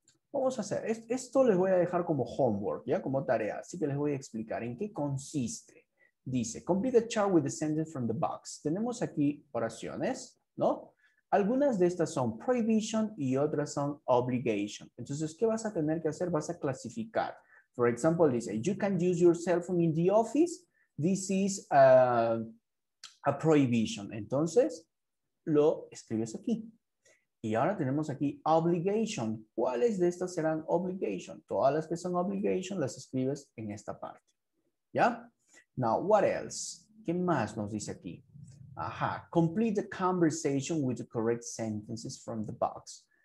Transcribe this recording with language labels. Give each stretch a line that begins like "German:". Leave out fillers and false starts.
Spanish: Vamos a hacer, esto les voy a dejar como homework, ya, como tarea. Así que les voy a explicar en qué consiste.
English: Dice, complete the chart with the sentence from the box.
Spanish: Tenemos aquí oraciones, ¿no? Algunas de estas son prohibition y otras son obligation. Entonces, ¿qué vas a tener que hacer? Vas a clasificar.
English: For example, dice, you can use your cell phone in the office. This is a prohibition.
Spanish: Entonces, lo escribes aquí. Y ahora tenemos aquí obligation. ¿Cuáles de estas serán obligation? Todas las que son obligation las escribes en esta parte. ¿Ya?
English: Now, what else?
Spanish: ¿Qué más nos dice aquí? Ajá.
English: Complete the conversation with the correct sentences from the box.